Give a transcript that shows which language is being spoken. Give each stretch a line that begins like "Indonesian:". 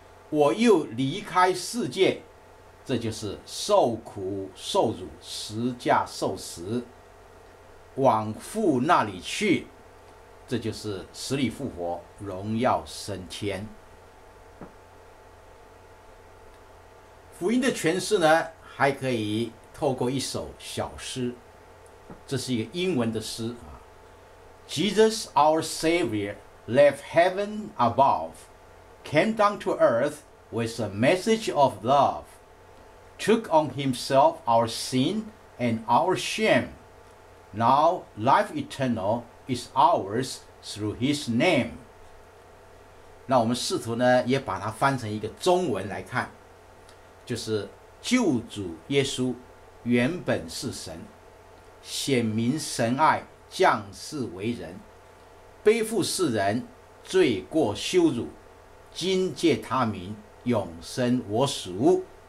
Chinese: 我又离开世界，这就是受苦受辱十架受死，往父那里去，这就是死里复活荣耀升天。福音的诠释呢，还可以透过一首小诗，这是一个英文的诗啊。
English: Jesus our Savior left heaven above, came down to earth with a message of love, took on himself our sin and our shame. Now life eternal is ours through his name.
Chinese: 那我们试图呢，也把它翻成一个中文来看，就是救主耶稣原本是神，显明神爱，降世为人，背负世人罪过羞辱，今借他名永生我属。